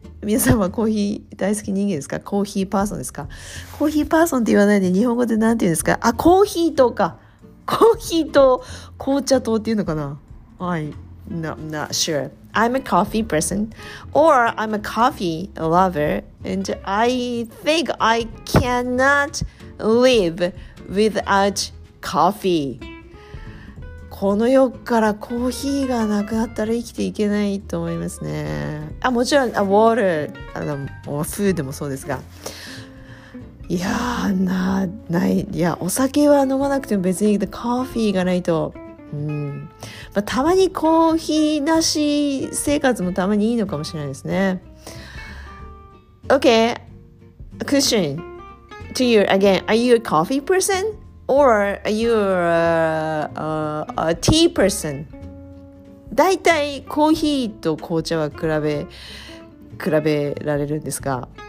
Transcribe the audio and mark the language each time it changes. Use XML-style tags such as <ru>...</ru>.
<ja>皆さんはコーヒー大好き人間ですか?コーヒーパーソンですか? コーヒーパーソンって言わないで日本語でなんて言うんですか? あ、コーヒーとか。コーヒーと紅茶とっていうのかな?</ja> <en>I'm not sure. I'm a coffee person, or I'm a coffee lover, and I think I cannot live without coffee.</en> <ja>この世からコーヒーがなくなったら生きていけないと思いますね。あ、もちろん、water、food もそうですが。いやー、ない、いや、お酒は飲まなくても別に、コーヒーがないと、まあ、たまにコーヒーなし生活もたまにいいのかもしれないですね。</ja> <en>Okay, a question to you again. Are you a coffee person or are you a tea person?</en> <ja>だいたいコーヒーと紅茶は比べられるんですが、</ja>